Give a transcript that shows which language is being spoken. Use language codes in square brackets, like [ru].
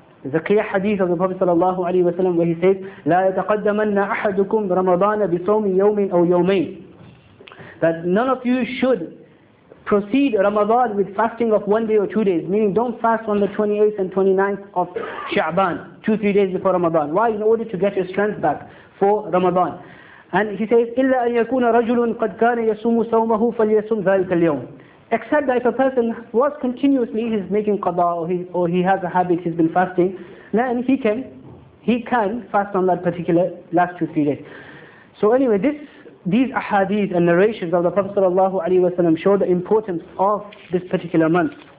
[en] The clear hadith of the Prophet sallallahu alaihi wasallam where he says, [ar] لا يتقدمن أحدكم رمضان بصوم يوم أو يومين, [en] that none of you should proceed Ramadan with fasting of 1 day or 2 days, meaning don't fast on the 28th and 29th of Sha'ban, 2-3 days before Ramadan. Why? In order to get your strength back for Ramadan. And he says, [ar] إلا أن يكون رجل قد كان يصوم صومه فليصوم ذلك اليوم. [en] Except that if a person was continuously, he's making qada or he has a habit, he's been fasting, then he can fast on that particular last 2-3 days. So anyway, these ahadith and narrations of the Prophet sallallahu alaihi wasallam show the importance of this particular month.